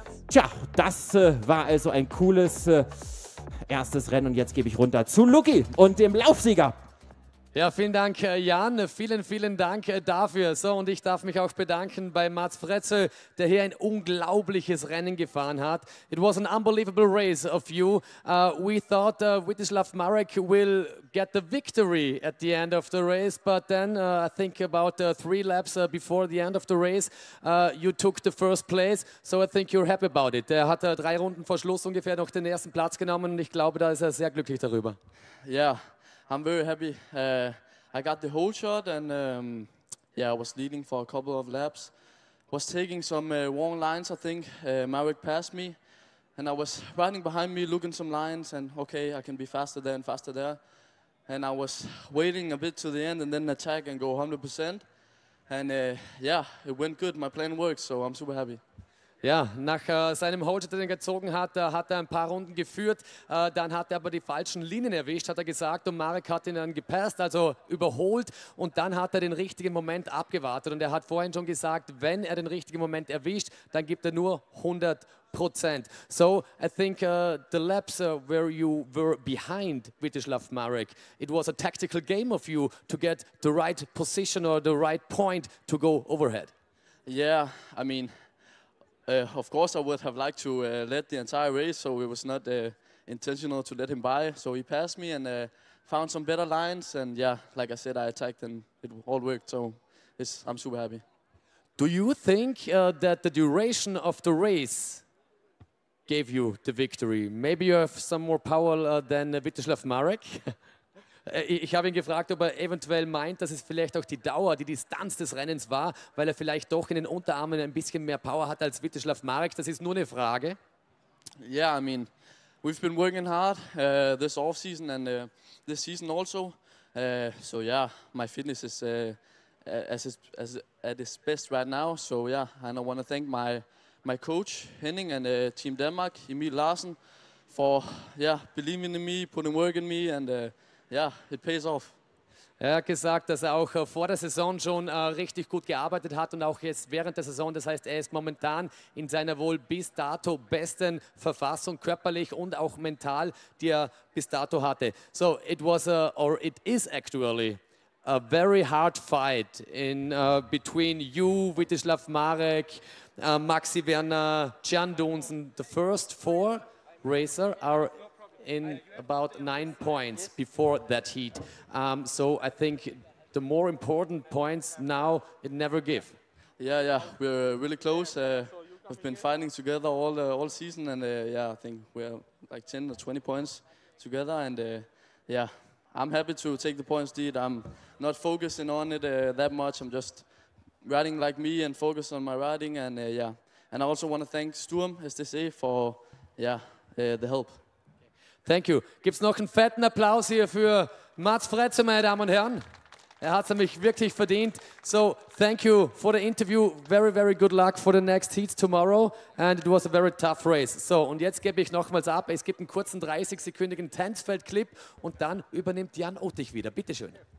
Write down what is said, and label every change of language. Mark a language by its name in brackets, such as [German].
[German] Tja, das war also ein cooles erstes Rennen und jetzt gebe ich runter zu Luki und dem Laufsieger. Ja, vielen Dank, Jan. Vielen, vielen Dank dafür. So, und ich darf mich auch bedanken bei Mats Fretzel, der hier ein unglaubliches Rennen gefahren hat. [English] It was an unbelievable race of you. We thought Witislav Marek will get the victory at the end of the race, but then I think about three laps before the end of the race, you took the first place, so I think you're happy about it. [German] Der hat drei Runden vor Schluss ungefähr noch den ersten Platz genommen und ich glaube, da ist er sehr glücklich darüber. [English] Yeah. I'm very happy. I got the whole shot and yeah, I was leading for a couple of laps. Was taking some long lines, I think. Marek passed me and I was riding behind me looking some lines and okay, I can be faster there and faster there. And I was waiting a bit to the end and then attack and go 100%. And yeah, it went good. My plan worked, so I'm super happy. [German] Ja, nach seinem Holzschuh, den er gezogen hat, hat er ein paar Runden geführt. Dann hat er aber die falschen Linien erwischt, hat er gesagt. Und Marek hat ihn dann gepasst, also überholt. Und dann hat er den richtigen Moment abgewartet. Und er hat vorhin schon gesagt, wenn er den richtigen Moment erwischt, dann gibt er nur 100%. [English] So, I think the laps where you were behind Vitislav Marek, it was a tactical game of you to get the right position or the right point to go overhead. Yeah, I mean, of course, I would have liked to lead the entire race, so it was not intentional to let him by. So he passed me and found some better lines. And yeah, like I said, I attacked and it all worked. So it's, I'm super happy. Do you think that the duration of the race gave you the victory? Maybe you have some more power than Vitislav Marek? [German] Ich habe ihn gefragt, ob er eventuell meint, dass es vielleicht auch die Dauer, die Distanz des Rennens war, weil er vielleicht doch in den Unterarmen ein bisschen mehr Power hat als Vitislav Marek. Das ist nur eine Frage. [English] Yeah, I mean, we've been working hard this off-season and this season also. So yeah, my fitness is at its best right now. So yeah, and I want to thank my coach Henning and Team Denmark, Emil Larsen, for yeah believing in me, putting work in me and ja, yeah, it pays off. [German] Er hat gesagt, dass er auch vor der Saison schon richtig gut gearbeitet hat und auch jetzt während der Saison. Das heißt, er ist momentan in seiner wohl bis dato besten Verfassung, körperlich und auch mental, die er bis dato hatte. [English] So, it was, or it is actually a very hard fight in between you, Vitislav Marek, Maxi Werner, Jan Doonsen. The first four racer are in about 9 points before that heat. So I think the more important points now, it never give. Yeah, yeah, we're really close. We've been fighting together all season and yeah, I think we're like 10 or 20 points together and yeah, I'm happy to take the points, dude. I'm not focusing on it that much. I'm just riding like me and focus on my riding and yeah. And I also want to thank Sturm, as they say, for yeah, the help. Thank you. [German] Gibt's noch einen fetten Applaus hier für Mats Fretzel, meine Damen und Herren? Er hat es nämlich wirklich verdient. [English] So, thank you for the interview. Very, very good luck for the next heat tomorrow. And it was a very tough race. [German] So, und jetzt gebe ich nochmals ab. Es gibt einen kurzen 30-sekündigen Tänzfeld-Clip und dann übernimmt Jan Otich wieder. Bitteschön.